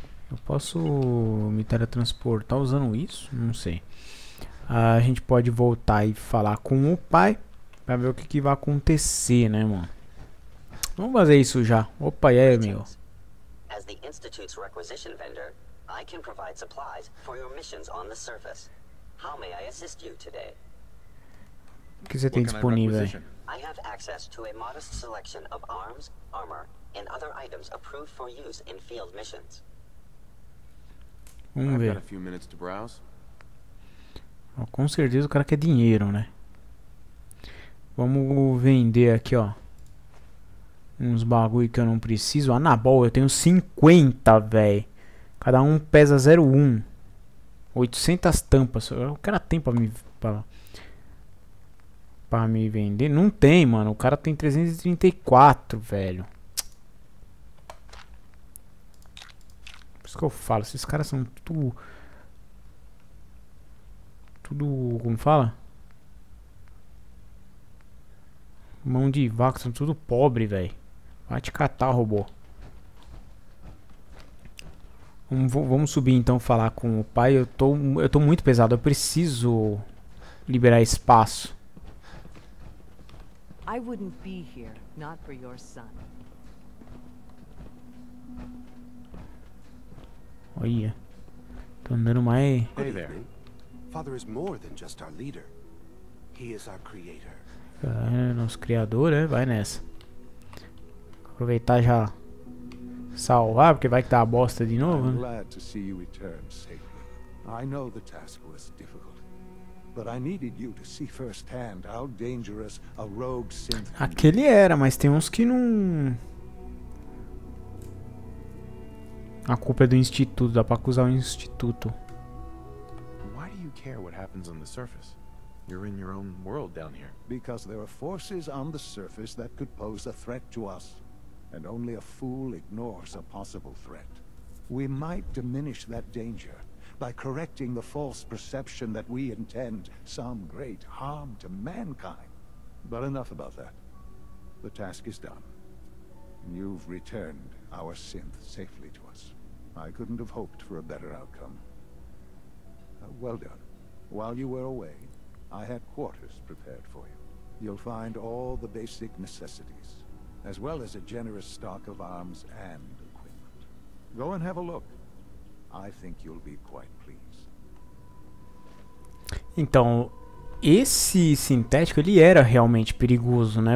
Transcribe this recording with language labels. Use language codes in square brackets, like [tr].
[pt] Eu posso me teletransportar usando isso? Não sei. A gente pode voltar e falar com o pai pra ver o que vai acontecer, né, mano? Vamos fazer isso já. Opa, e aí, amigo? [en] As the Institute's requisition vendor, I can provide supplies for your missions on the surface. How may I assist you today? [pt] O que você tem disponível? [en] I have access to a modest selection of arms, armor, and other items approved for use in field missions. [pt] Vamos ver. [en] I've got a few minutes to browse. [pt] Oh, com certeza o cara quer dinheiro, né? Vamos vender aqui, ó. Uns bagulho que eu não preciso. Anabol, eu tenho 50, velho. Cada um pesa 0,1. 800 tampas. O cara tem pra me vender? Não tem, mano. O cara tem 334, velho. Por isso que eu falo. Esses caras são tudo... Tudo... Como fala? Mão de vaca. São tudo pobre, velho. Vai te catar, robô. Vamos subir então, falar com o pai. Eu tô muito pesado. Eu preciso liberar espaço. [en] I wouldn't be here, not for your son. [pt] Olha. Tô andando mais. [en] Hey there. Father is more than just our leader. He is our creator. [pt] Nosso criador, né? Vai nessa. Aproveitar já salvar, porque vai que dá a bosta de novo. [en] I'm glad to see you return, Satan. I know the task was difficult, but I needed you to see firsthand how dangerous a rogue synth. [pt] Aquele era, mas tem uns que não. A culpa é do instituto, dá pra acusar o instituto. [en] Why do you care what happens on the surface? You're in your own world down here. Because there are forces on the surface that could pose a threat to us. And only a fool ignores a possible threat. We might diminish that danger by correcting the false perception that we intend some great harm to mankind. But enough about that. The task is done. You've returned our synth safely to us. I couldn't have hoped for a better outcome. Well done. While you were away, I had quarters prepared for you. You'll find all the basic necessities. As well as a generous stock of arms and equipment. Go and have a look. I think you'll be quite pleased. [pt] Então, esse sintético, ele era realmente perigoso, né?